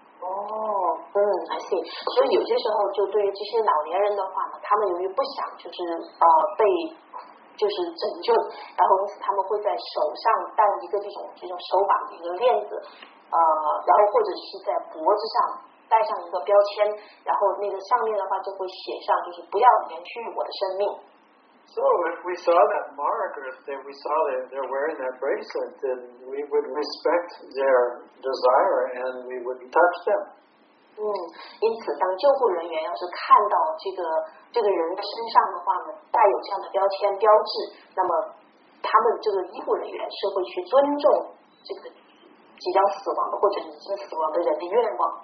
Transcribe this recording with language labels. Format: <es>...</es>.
<en>I see.</en> <zh>所以有些时候，就对于这些老年人的话呢，他们由于不想就是被就是拯救，然后因此他们会在手上戴一个这种手绑的一个链子，然后或者是在脖子上戴上一个标签，然后那个上面的话就会写上就是不要延续我的生命。</zh> <en>So if we saw that mark, or if we saw that they're wearing that bracelet, then we would respect their desire and we wouldn't touch them.</en> <zh>因此当救护人员要是看到这个人的身上的话呢，带有这样的标签标志，那么他们这个医护人员是会去尊重这个即将死亡的或者已经死亡的人的愿望。</zh>